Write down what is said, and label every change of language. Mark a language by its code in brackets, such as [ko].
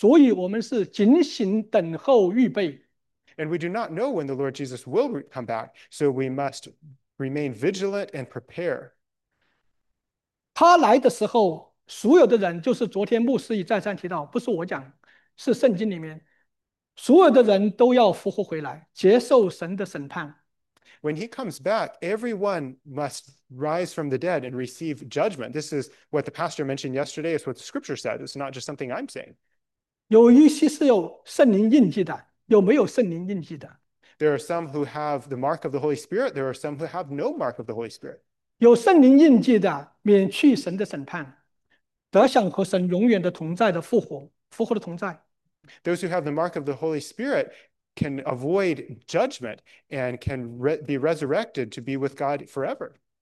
[zh] 而我们不知道耶稣基督什么时候来，所以我们是警醒等候预备。 [en] And we do not know when the Lord Jesus will come back, so we must remain vigilant and prepare. [zh] 他来的时候，所有的人，就是昨天牧师一再三提到，不是我讲，是圣经里面，所有的人都要复活回来，接受神的审判。 [en] When he comes back, everyone must rise from the dead and receive judgment. This is what the pastor mentioned yesterday. It's what the scripture said. It's not just something I'm saying. [zh] 有一些是有圣灵印记的，有没有圣灵印记的？ [en] There are some who have the mark of the Holy Spirit. There are some who have no mark of the Holy Spirit. [zh] 有圣灵印记的，免去神的审判，得享和神永远的同在的复活，复活的同在。 [en] Those who have the mark of the Holy Spirit can avoid judgment and can be resurrected to be with God forever.